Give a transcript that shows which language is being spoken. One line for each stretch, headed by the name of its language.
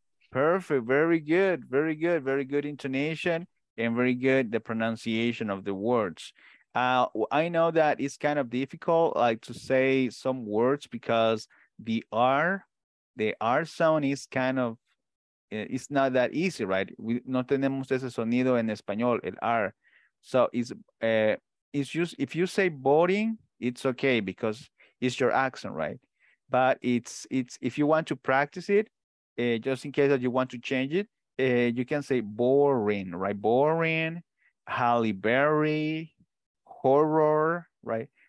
English: Perfect. Very good. Very good. Very good intonation and very good the pronunciation of the words. I know that it's kind of difficult like to say some words because the R sound is kind of, it's not that easy, right?
Spanish: We no tenemos ese sonido en español, el R.
English: So it's just, if you say boring, it's okay because it's your accent, right? But it's if you want to practice it, just in case that you want to change it, you can say boring, right? Boring, Halle Berry, horror, right?